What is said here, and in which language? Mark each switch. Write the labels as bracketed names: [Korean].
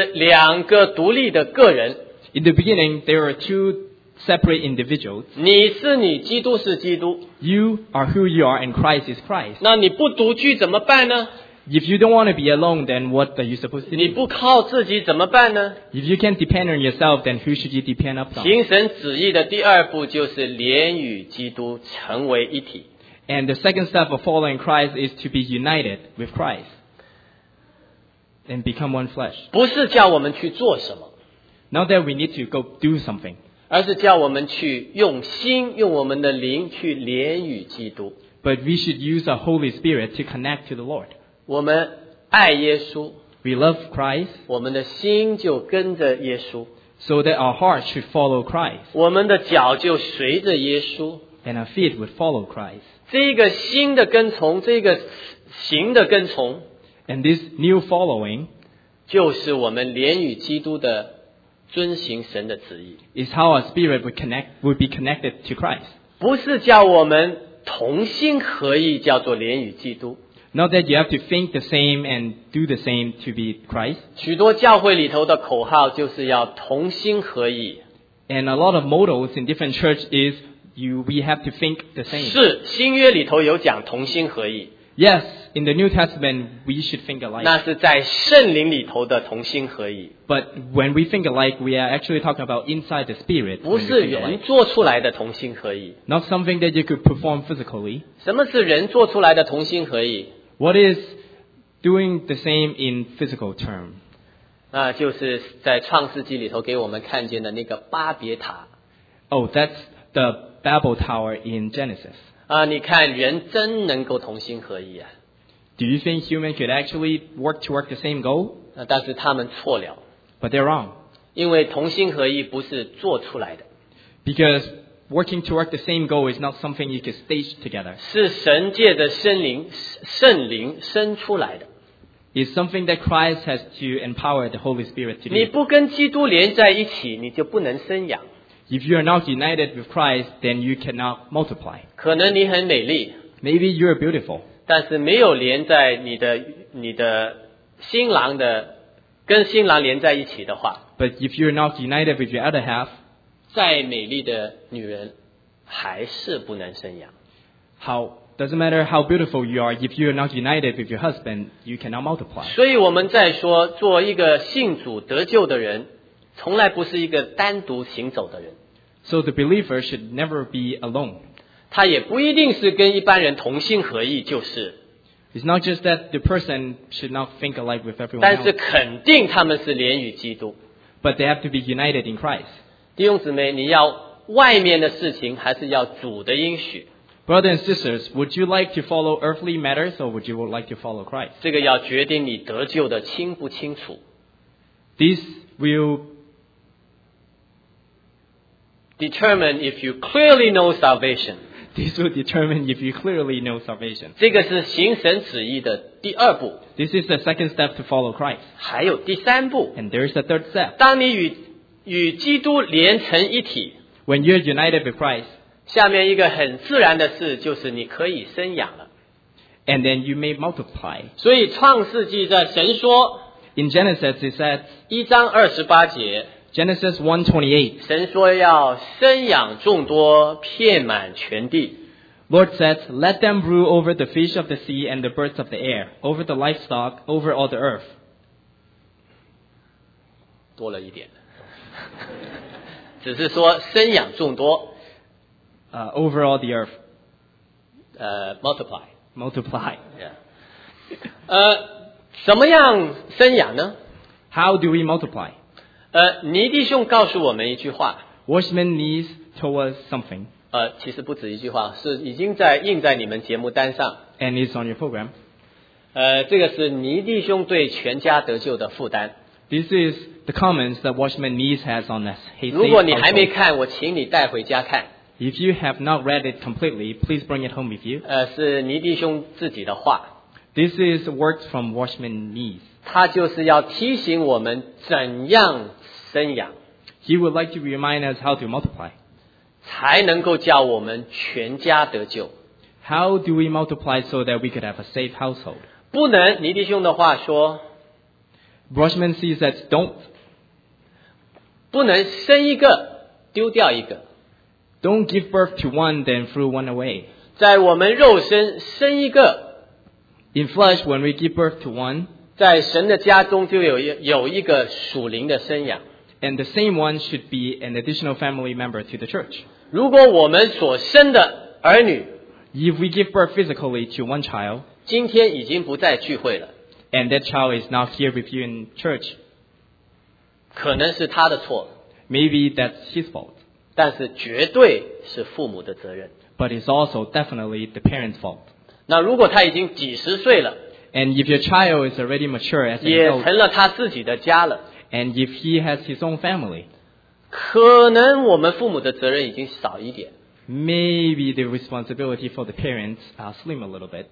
[Chinese] 本来是两个独立的个人。 [English] In the beginning, there are two separate individuals. [Chinese] 你是你,基督是基督。 [English] You are who you are and Christ is Christ. [Chinese] 那你不独居怎么办呢? [English] If you don't want to be alone, then what are you supposed to do? [Chinese] 你不靠自己怎么办呢? [English] If you can't depend on yourself, then who should you depend upon? [Chinese] 行神旨意的第二步就是连与基督成为一体。 [English] And the second step of following Christ is to be united with Christ and become one flesh. [Chinese] 不是叫我们去做什么, [English] not that we need to go do something, [Chinese] 而是叫我们去用心, 用我们的灵去连与基督。 [English] But we should use our Holy Spirit to connect to the Lord. [Chinese] 我们爱耶稣, [English] we love Christ, [Chinese] 我们的心就跟着耶稣, [English] so that our hearts should follow Christ, [Chinese] 我们的脚就随着耶稣, [English] and our feet would follow Christ. [Chinese] 这个新的跟从, 这个行的跟从, [English] and this new following, [Chinese] 就是我们连与基督的遵行神的旨意, [English] is how our spirit would connect, would be connected to Christ. [Chinese] 不是叫我们同心合意叫做连与基督, [English] Not that you have to think the same and do the same to be Christ. [Chinese] 许多教会里头的口号就是要同心合意。 [English] And a lot of models in different church is we have to think the same. [Chinese] 是，新约里头有讲同心合意。 [English] Yes, in the New Testament, we should think alike. [Chinese] 那是在圣灵里头的同心合意。 [English] But when we think alike, we are actually talking about inside the spirit. [Chinese] 不是人做出来的同心合意。 [English] Not something that you could perform physically. [Chinese] 什么是人做出来的同心合意？ [English] What is doing the same in physical term? [Chinese] 那就是在创世纪里头给我们看见的那个巴别塔。 [English] Oh, that's the Babel Tower in Genesis. [Chinese] 你看人真能够同心合意啊。 [English] Do you think human could actually work toward the same goal? [Chinese] 但是他们错了。 [English] But they're wrong. [Chinese] 因为同心合意不是做出来的。 [English] Because working toward the same goal is not something you can stage together. [Chinese] 是神借着圣灵生出来的。 [English] It's something that Christ has to empower the Holy Spirit to do. [Chinese] 你不跟基督连在一起，你就不能生养。 [English] If you are not united with Christ, then you cannot multiply. [Chinese] 可能你很美丽。 [English] Maybe you are beautiful. [Chinese] 但是没有连在你的新郎的跟新郎连在一起的话。 [English] But if you are not united with your other half, [Chinese] 再美丽的女人还是不能生养。 [English] How doesn't matter how beautiful you are, if you are not united with your husband, you cannot multiply. [Chinese] 所以我们在说做一个信主得救的人。从来不是一个单独行走的人。 [English] So the believer should never be alone. [Chinese] 他也不一定是跟一般人同心合意就是。 [English] It's not just that the person should not think alike with everyone else. [Chinese] 但是肯定他们是连与基督。 [English] But they have to be united in Christ. [Chinese] 弟兄姊妹，你要外面的事情还是要主的应许？ [English] Brothers and sisters, would you like to follow earthly matters or would you like to follow Christ? [Chinese] 这个要决定你得救的清不清楚。 [English] This will determine if you clearly know salvation. This will determine if you clearly know salvation. [Chinese] 这个是行神旨意的第二步。 [English] This is the second step to follow Christ. [Chinese] 还有第三步。 [English] And there is the third step. [Chinese] 当你与基督连成一体。 [English] When you're united with Christ. [Chinese] 下面一个很自然的事就是你可以生养了。 [English] And then you may multiply. [Chinese] 所以创世纪的神说。 [English] In Genesis, it says, [Chinese] 一章二十八节。 [English] Genesis 1:28. [Chinese] 神说要生养众多，遍满全地。 [English] Lord says, "Let them rule over the fish of the sea and the birds of the air, over the livestock, over all the earth." [Chinese] 多了一点，只是说生养众多。 [English] Over all the earth. Multiply. Multiply. [Chinese] Yeah. 什么样生养呢 [English] ？How do we multiply? [Chinese] 尼弟兄告诉我们一句话。 [English] Watchman Nee told us something. [Chinese] 其实不止一句话，是已经在印在你们节目单上。 [English] And it's on your program. [Chinese] 这个是尼弟兄对全家得救的负担。 [English] This is the comments that Watchman Nee has on us. [Chinese] 如果你还没看，我请你带回家看。 [English] If you have not read it completely, please bring it home with you. [Chinese] 是尼弟兄自己的话。 [English] This is words from Watchman Nee. [Chinese] 他就是要提醒我们怎样生养。 [English] He would like to remind us how to multiply. [Chinese] 才能够叫我们全家得救。 [English] How do we multiply so that we could have a safe household? [Chinese] 不能，尼弟兄的话说。 [English] Watchman Nee says don't. [Chinese] 不能生一个，丢掉一个。 [English] Don't give birth to one, then throw one away. [Chinese] 在我们肉身生一个。 [English] In flesh, when we give birth to one, [Chinese] 在神的家中就有一个属灵的生养。 [English] And the same one should be an additional family member to the church. [Chinese] 如果我们所生的儿女， [English] If we give birth physically to one child, [Chinese] 今天已经不再聚会了。 [English] And that child is not here with you in church. [Chinese] 可能是他的错。 [English] Maybe that's his fault. [Chinese] 但是绝对是父母的责任。 [English] But it's also definitely the parents' fault. [Chinese] 那如果他已经几十岁了 [English] ，and if your child is already mature as an adult, [Chinese] 也成了他自己的家了 [English] ，and if he has his own family, [Chinese] 可能我们父母的责任已经少一点 [English] ，maybe the responsibility for the parents are slim a little bit.